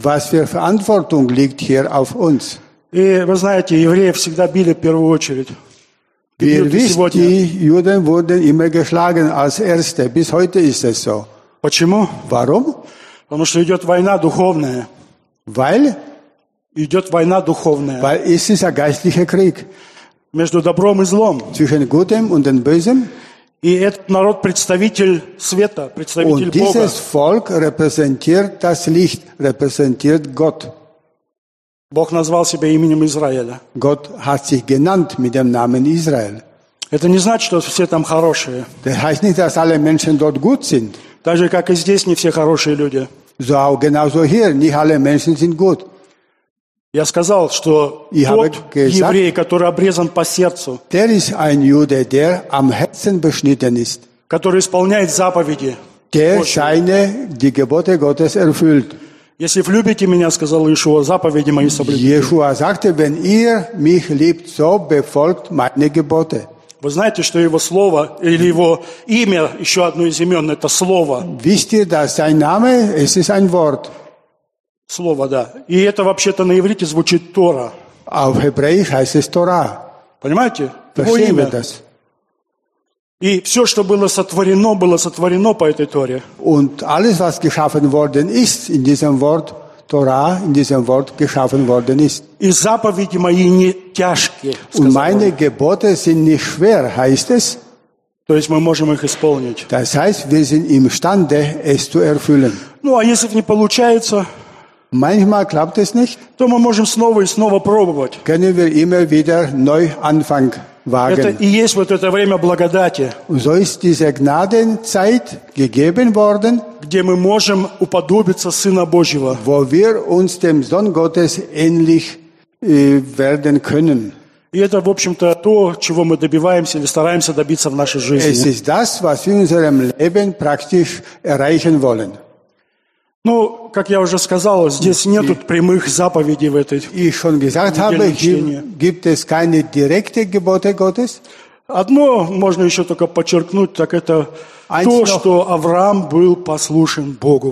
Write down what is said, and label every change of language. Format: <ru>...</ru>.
<de>Was für Verantwortung liegt hier auf uns?</de> <ru>И вы знаете, евреи всегда били в первую очередь.</ru> <de>Wir wissen, die Juden wurden immer geschlagen als Erste. Bis heute ist es so.</de> <ru>Почему?</ru> <de>Warum?</de> <ru>Потому что идет война духовная.</ru> <de>Weil?</de> <ru>Идет война духовная.</ru> <de>Weil es ist ein geistlicher Krieg.</de> <ru>Между добром и злом.</ru> <de>Zwischen Gutem und dem Bösen.</de> <ru>И этот народ представитель света, представитель Бога.</ru> <de>Und dieses Volk repräsentiert das Licht, repräsentiert Gott.</de> <ru>Бог назвал себя именем Израиля.</ru> <de>Gott hat sich genannt mit dem Namen Israel.</de> <ru>Это не значит, что все там хорошие.</ru> <de>Das heißt nicht, dass alle Menschen dort gut sind.</de> <ru>Так же, как и здесь, не все хорошие люди.</ru> <de>So auch genauso hier, nicht alle Menschen sind gut.</de> <ru>Я сказал, что тот еврей, который обрезан по сердцу,</ru> <de>der ist ein Jude, der am Herzen beschnitten ist,</de> <ru>который исполняет заповеди,</ru> <de>der seine, die Gebote Gottes erfüllt.</de> <ru>Если вы любите меня, сказал Иешуа, заповеди мои соблюдите.</ru> <de>Иешуа sagte, wenn ihr mich liebt, so befolgt meine Gebote.</de> <ru>Вы знаете, что его слово или его имя, еще одно из имен, это слово.</ru> <de>Wisst ihr, dass sein Name, es ist ein Wort.</de> <ru>Слово, да. И это вообще-то на иврите звучит Тора.</ru> <de>Auf Hebräisch heißt es Torah.</de> <ru>Понимаете? Его имя.</ru> <de>Das.</de> <ru>И все, что было сотворено по этой Торе.</ru> <de>Und alles, was geschaffen worden ist, in diesem Wort Torah, in diesem Wort geschaffen worden ist.</de> <ru>И заповеди мои не тяжкие.</ru> <de>Und meine Gebote sind nicht schwer, heißt es.</de> <ru>То есть мы можем их исполнить.</ru> <de>Das heißt, wir sind imstande, es zu erfüllen.</de> <ru>Ну, а если не получается?</ru> <de>Manchmal klappt es nicht.</de> <ru>То мы можем снова и снова пробовать.</ru> <de>Können wir immer wieder neu anfangen.</de> <ru>Это и есть вот это время благодати.</ru> <de>So ist diese Gnadenzeit gegeben worden,</de> <ru>где мы можем уподобиться Сына Божьего.</ru> <de>Wo wir uns dem Sohn Gottes ähnlich werden können.</de> <ru>И это, в общем-то, то, чего мы добиваемся или стараемся добиться в нашей жизни.</ru> <de>Es ist das, was wir in unserem Leben praktisch erreichen wollen.</de> <ru>Ну, как я уже сказал, здесь нету прямых заповедей в этой</ru> <de>и schon gesagt habe, gibt es keine direkte Gebote Gottes?</de> <ru>Одно можно еще только подчеркнуть, так это то, что Авраам был послушен Богу.</ru>